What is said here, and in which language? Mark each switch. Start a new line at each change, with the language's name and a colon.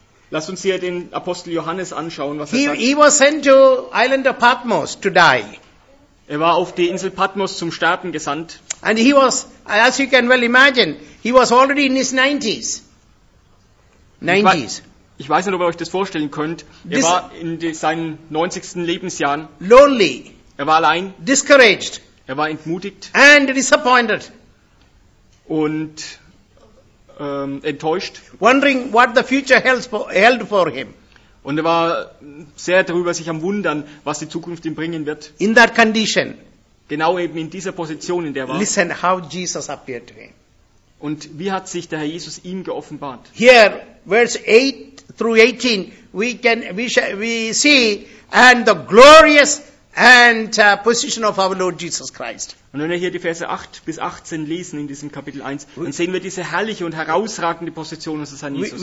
German: Lasst uns hier den Apostel Johannes anschauen, was er sagt.
English: He was sent to island of Patmos to die.
German: Er war auf die Insel Patmos zum Sterben gesandt.
English: And he was, as you can well imagine, he was already in his 90s.
German: Ich weiß nicht, ob ihr euch das vorstellen könnt. Er war in seinen 90. Lebensjahren.
English: Lonely.
German: Er war allein.
English: Discouraged.
German: Er war entmutigt.
English: And disappointed.
German: Und enttäuscht.
English: Wondering what the future held for him.
German: Und er war sehr darüber sich am Wundern, was die Zukunft ihm bringen wird.
English: In that condition.
German: Genau eben in dieser Position, in der er war.
English: Listen how Jesus appeared to him.
German: Und wie hat sich der Herr Jesus ihm geoffenbart?
English: Here, verse 8 through 18, we see and the glorious and position of our Lord Jesus Christ.
German: Und wenn wir hier die Verse 8 bis 18 lesen in diesem Kapitel 1, dann sehen wir diese herrliche und herausragende Position unseres Herrn Jesus.